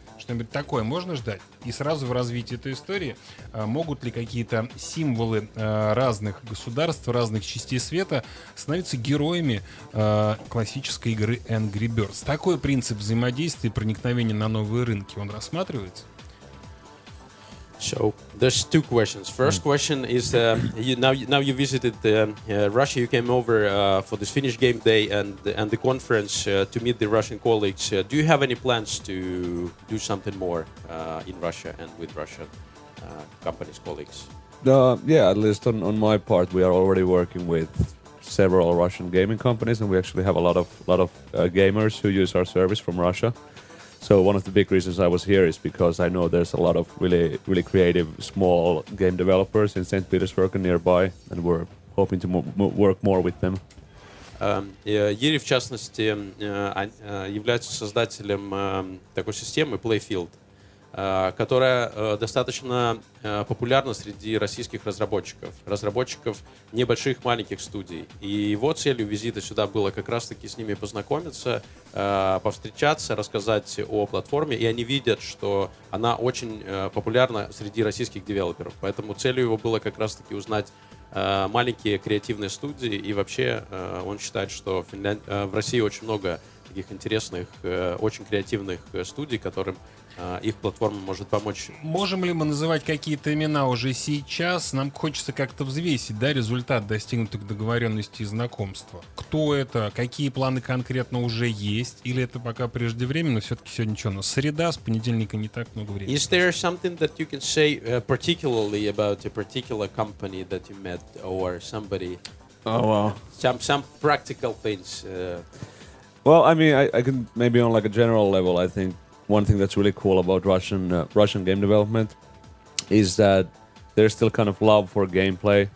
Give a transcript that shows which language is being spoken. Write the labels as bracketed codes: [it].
[ru] Что-нибудь такое можно ждать? И сразу в развитии этой истории, могут ли какие-то символы разных государств, разных частей света становиться героями классической игры Angry Birds? Такой принцип взаимодействия и проникновения на новые рынки, он рассматривается? [en] So, there's two questions. First question is, now you visited Russia, you came over for this Finnish game day and the conference to meet the Russian colleagues. Do you have any plans to do something more in Russia and with Russian companies, colleagues? Yeah, at least on my part, we are already working with several Russian gaming companies, and we actually have a lot of gamers who use our service from Russia. So one of the big reasons I was here is because I know there's a lot of really, really creative small game developers in St. Petersburg and nearby, and we're hoping to work more with them. [ru] Юрий, в частности, является создателем такой системы Playfield, которая достаточно популярна среди российских разработчиков, разработчиков небольших, маленьких студий. И его целью визита сюда было как раз-таки с ними познакомиться, повстречаться, рассказать о платформе, и они видят, что она очень популярна среди российских девелоперов. Поэтому целью его было как раз-таки узнать маленькие креативные студии, и вообще он считает, что в России очень много таких интересных, очень креативных студий, которым их платформа может помочь. Можем ли мы называть какие-то имена уже сейчас? Нам хочется как-то взвесить, да, результат достигнутых договоренностей и знакомства. Кто это? Какие планы конкретно уже есть? Или это пока преждевременно? Все-таки сегодня что, у нас среда, с понедельника не так много времени. [en] Is there something that you can say particularly about a particular company that you met or somebody? Oh, wow. Some practical things. Well, I mean, I can maybe on like a general level, I think one thing that's really cool about Russian game development is that there's still kind of love for gameplay.